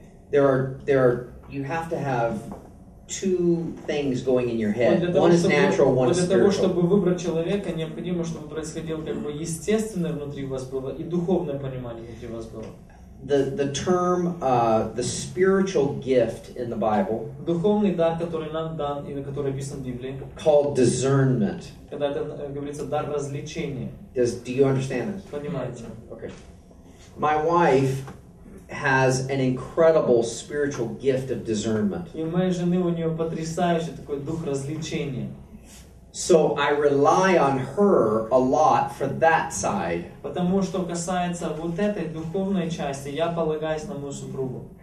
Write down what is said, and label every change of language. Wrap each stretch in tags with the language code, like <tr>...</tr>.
<en>You have to have two things going in your head. One is natural, one is spiritual.</en> <ru>Для того, чтобы выбрать человека, необходимо, чтобы происходило как бы естественное внутри вас было и духовное понимание внутри вас было.</ru> <en>The term the spiritual gift in the Bible,</en> <ru>духовный дар, который нам дан или который описан в Библии,</ru> <en>called discernment.</en> <ru>Когда это говорится дар различения.</ru> <en>Do you understand this?</en> <ru>Понимаете?</ru> <en>Okay. My wife has an incredible spiritual gift of discernment.</en> <ru>И у моей жены у нее потрясающий такой дух различения.</ru> <en>So I rely on her a lot for that side.</en> <ru>Потому что касается вот этой духовной части, я полагаюсь на мою супругу.</ru>